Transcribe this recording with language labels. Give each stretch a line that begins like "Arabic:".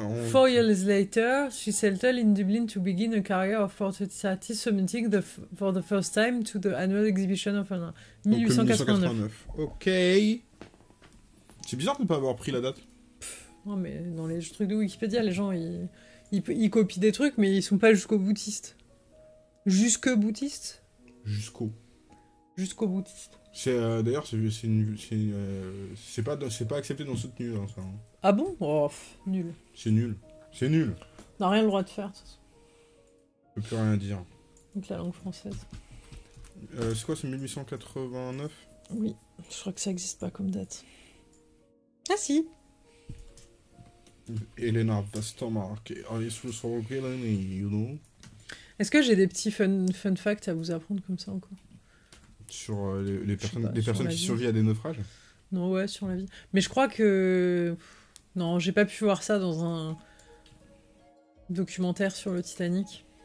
English: Four years later, she settled in Dublin to begin a career of portrait artist submitting for the first time to the annual exhibition of 1889. Ok.
French: C'est bizarre de ne pas avoir pris la date. Non, mais dans les trucs de Wikipédia, les gens, ils copient des trucs, mais ils sont pas jusqu'au boutiste. Jusque boutiste. Jusqu'au boutiste. C'est, d'ailleurs, c'est pas accepté dans ce tenu, hein, ça. Ah bon? Nul. C'est nul. On a rien le droit de faire, de toute façon. On peut plus rien dire. Donc la langue française. C'est quoi, c'est 1889? Oui, je crois que ça existe pas comme date. Ah si!
English: Elena Bastomark, Alice Russell Gillen, you know.
French: Est-ce que j'ai des petits fun facts à vous apprendre comme ça encore? Sur les personnes qui survivent à des naufrages? Non, ouais, sur la vie. Mais je crois que. Non, j'ai pas pu voir ça dans un documentaire sur le Titanic.